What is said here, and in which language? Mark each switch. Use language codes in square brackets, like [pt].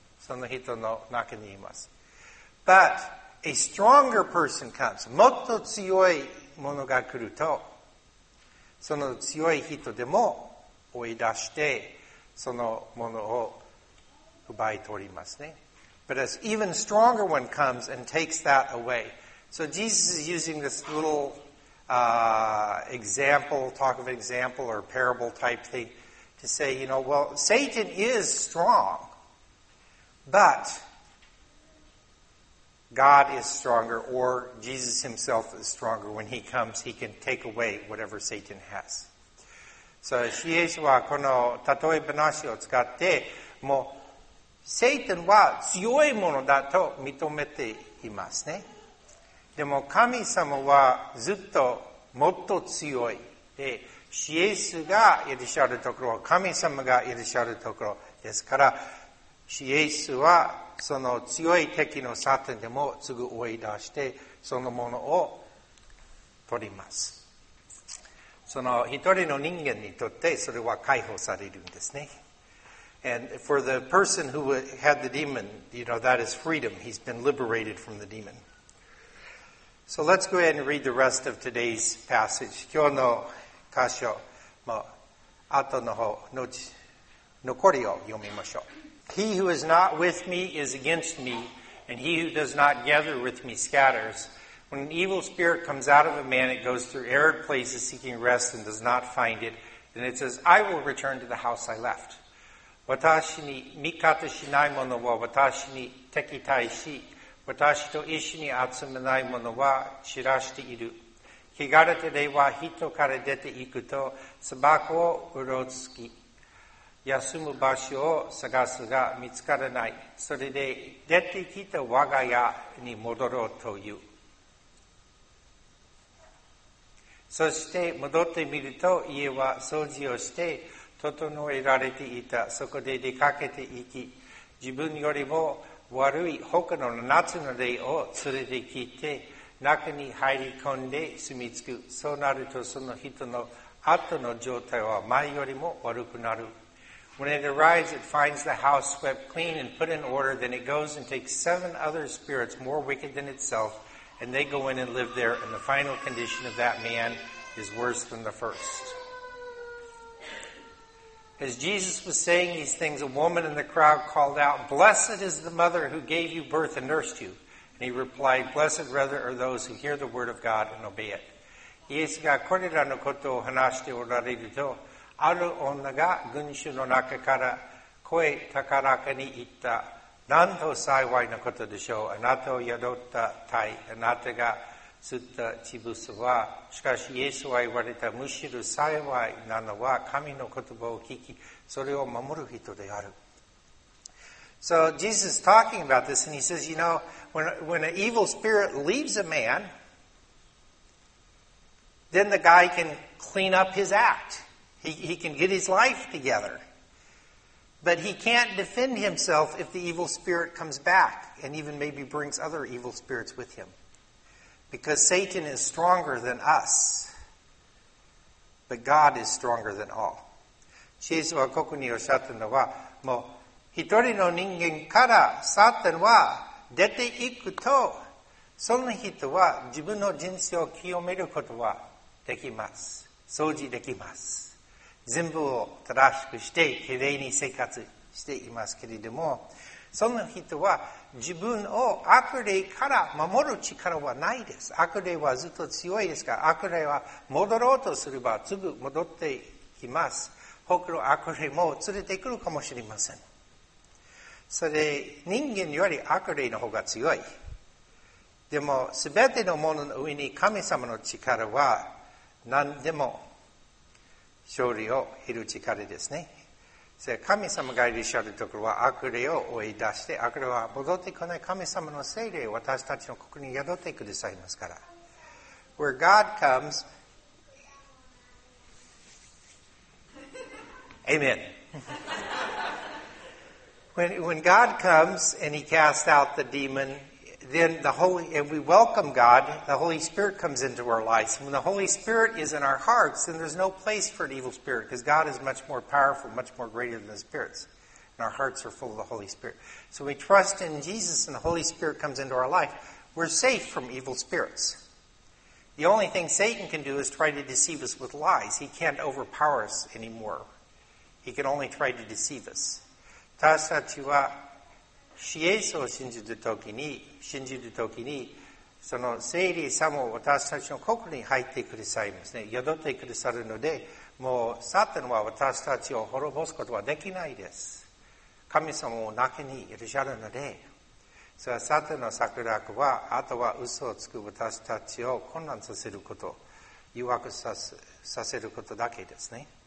[ja] その人の中にいます。 [en] But a stronger person comes. [ja] もっと強いものが来ると、その強い人でも追い出して、そのものを奪い取りますね。 [en] But an even stronger one comes and takes that away. So Jesus is using this little example, talk of an example or parable type thing to say, you know, well, Satan is strong, but God is stronger or Jesus himself is stronger. When he comes, he can take away whatever Satan has. [ja] So イエスはこの例え話を使ってもうサタンは強いものだと認めていますね。でも神様はずっともっと強いで、イエスがいらっしゃるところ、神様がいらっしゃるところですから、イエスはその強い敵のサタンでもすぐ追い出して、そのものを取ります。その一人の人間にとってそれは解放されるんですね。 [en] And for the person who had the demon, you know, that is freedom. He's been liberated from the demon. So let's go ahead and read the rest of today's passage. [ja] 今日の箇所、まあ、後の方、残りを読みましょう。 [en] He who is not with me is against me, and he who does not gather with me scatters. When an evil spirit comes out of a man, it goes through arid places seeking rest and does not find it. Then it says, I will return to the house I left. [ja] 私に味方しない者は私に敵対し、私と一緒に集めない者は散らしている。汚れた霊は人から出ていくと、巣箱をうろつき、休む場所を探すが見つからない。それで出てきた我が家に戻ろうという。そして戻ってみると、家は掃除をして、整えられていた。そこで出かけて行き、自分よりも悪い他の七つの霊を連れてきて、中に入り込んで住み着く。そうなるとその人の後の状態は前よりも悪くなる。 [en] When it arrives, it finds the house swept clean and put in order, then it goes and takes seven other spirits more wicked than itself, and they go in and live there, and the final condition of that man is worse than the first. As Jesus was saying these things, a woman in the crowd called out, Blessed is the mother who gave you birth and nursed you. And he replied, Blessed rather are those who hear the word of God and obey it. [ja] イエスがこれらのことを話しておられると、ある女が群衆の中から声高らかに言った、なんと幸いなことでしょう。あなたを宿った体、あなたが吸った血ブスは、しかしイエスは言われた、むしろ幸いなのは神の言葉を聞き、それを守る人である。 [en] So Jesus is talking about this and he says, you know, when an evil spirit leaves a man, then the guy can clean up his act. He can get his life together. But he can't defend himself if the evil spirit comes back and even maybe brings other evil spirits with him. Because Satan is stronger than us, but God is stronger than all. [ja] イエスはここにおっしゃったのは、もう一人の人間からサタンは出ていくと、その人は自分の人生を清めることはできます。掃除できます。全部を正しくして、きれいに生活していますけれども、その人は自分を悪霊から守る力はないです。悪霊はずっと強いですから、悪霊は戻ろうとすればすぐ戻ってきます。他の悪霊も連れてくるかもしれません。それ、人間より悪霊の方が強い。でも、すべてのものの上に神様の力は何でも勝利を得る力ですね。神様がいらっしゃるところは悪霊を追い出して悪霊は戻ってこない神様の聖霊を私たちの心に宿ってくださいますから [en] Where God comes Amen when God comes and he casts out the demon then the Holy, and we welcome God the Holy Spirit comes into our lives when the Holy Spirit is in our hearts then there's no place for an evil spirit because God is much more powerful much more greater than the spirits and our hearts are full of the Holy Spirit so we trust in Jesus and the Holy Spirit comes into our life we're safe from evil spirits the only thing Satan can do is try to deceive us with lies he can't overpower us anymore he can only try to deceive us Tasatua. [ja] イエスを信じるときに、その聖霊様を私たちの心に入ってくださいますね。宿ってくださるので、もうサタンは私たちを滅ぼすことはできないです。神様も中にいらっしゃるので、それはサタンの策略は、あとは嘘をつく私たちを混乱させること、誘惑させることだけですね。